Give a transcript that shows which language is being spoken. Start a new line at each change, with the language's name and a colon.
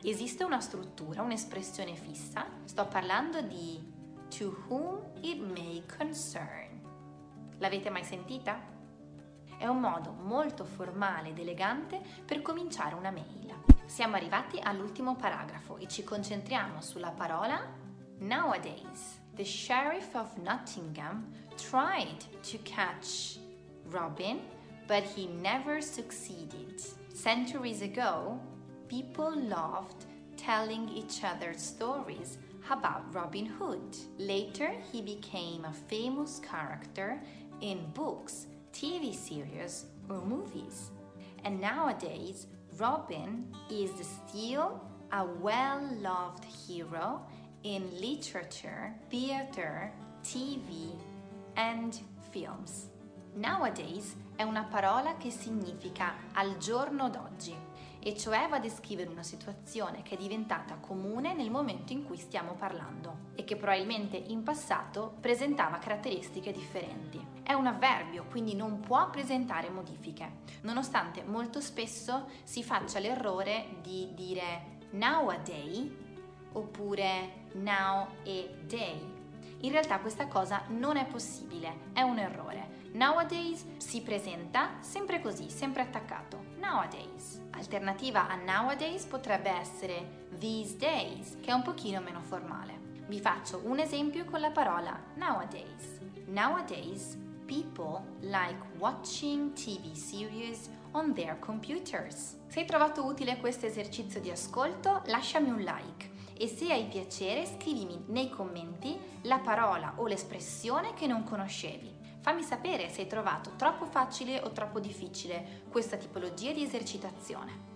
Italian: Esiste una struttura, un'espressione fissa, sto parlando di to whom it may concern. L'avete mai sentita? È un modo molto formale ed elegante per cominciare una mail. Siamo arrivati all'ultimo paragrafo e ci concentriamo sulla parola nowadays.
English: The sheriff of Nottingham tried to catch Robin, but he never succeeded. Centuries ago, people loved telling each other stories about Robin Hood. Later, he became a famous character in books, TV series, or movies. And nowadays, Robin is still a well-loved hero in literature, theater, TV, and films.
Italian: Nowadays è una parola che significa al giorno d'oggi, e cioè va a descrivere una situazione che è diventata comune nel momento in cui stiamo parlando e che probabilmente in passato presentava caratteristiche differenti. È un avverbio, quindi non può presentare modifiche, nonostante molto spesso si faccia l'errore di dire nowadays oppure now a day. In realtà questa cosa non è possibile, è un errore. Nowadays si presenta sempre così, sempre attaccato. Nowadays. Alternativa a nowadays potrebbe essere these days, che è un pochino meno formale. Vi faccio un esempio con la parola nowadays.
English: Nowadays people like watching TV series on their computers.
Italian: Se hai trovato utile questo esercizio di ascolto, lasciami un like. E se hai piacere, scrivimi nei commenti la parola o l'espressione che non conoscevi. Fammi sapere se hai trovato troppo facile o troppo difficile questa tipologia di esercitazione.